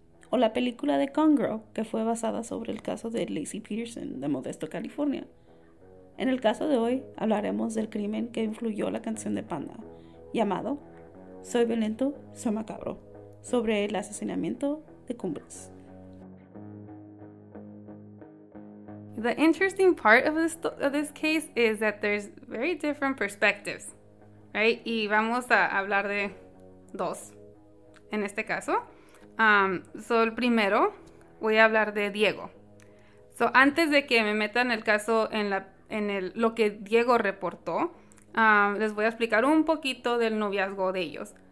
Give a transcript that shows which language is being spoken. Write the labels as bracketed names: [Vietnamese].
[Spanish] O la película de Gone Girl, que fue basada sobre el caso de Lacey Peterson de Modesto, California. En el caso de hoy, hablaremos del crimen que influyó la canción de Panda, llamado Soy Violento, Soy Macabro, sobre el asesinamiento de Cumbres. [English] The interesting part of this case is that there's very different perspectives, right? [Spanish] Y vamos a hablar de dos en este caso. So, el primero, voy a hablar de Diego. So, antes de que me metan el caso lo que Diego reportó, les voy a explicar un poquito del noviazgo de ellos.